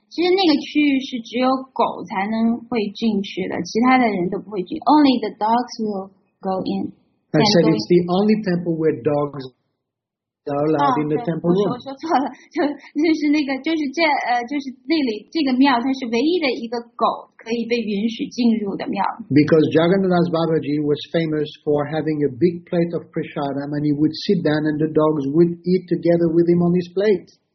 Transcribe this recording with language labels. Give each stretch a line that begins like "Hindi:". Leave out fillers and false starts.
Chinese: 其实那个区域是只有狗才能会进去的，其他的人都不会进。
English: Only the dogs will go in. I said it's the only temple where dogs allowed in the temple room.
Chinese: 我说错了，就是那个，就是这里这个庙，它是唯一的一个狗可以被允许进入的庙。
English: Because Jagannath Babaji was famous for having a big plate of prasadam, and he would sit down, and the dogs would eat together with him on his plate.